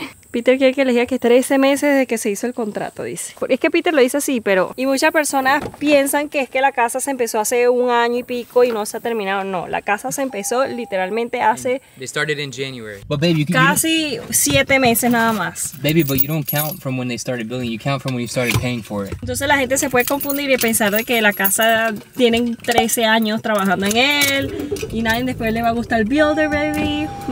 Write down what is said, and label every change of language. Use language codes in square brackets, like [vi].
[es] Peter quiere que les diga que 13 meses desde que se hizo el contrato, dice. Es que Peter lo dice así, pero... Y muchas personas piensan que es que la casa se empezó hace un año y pico y no se ha terminado. No, la casa se empezó literalmente hace... [en] They started in January. But baby, you can, [es] casi 7 meses nada más. [en] Baby, but you don't count from when they started building. You count from when you started paying for it. [es] Entonces la gente se puede confundir y pensar de que la casa tienen 13 años trabajando en él y nadie después le va a gustar el builder, baby.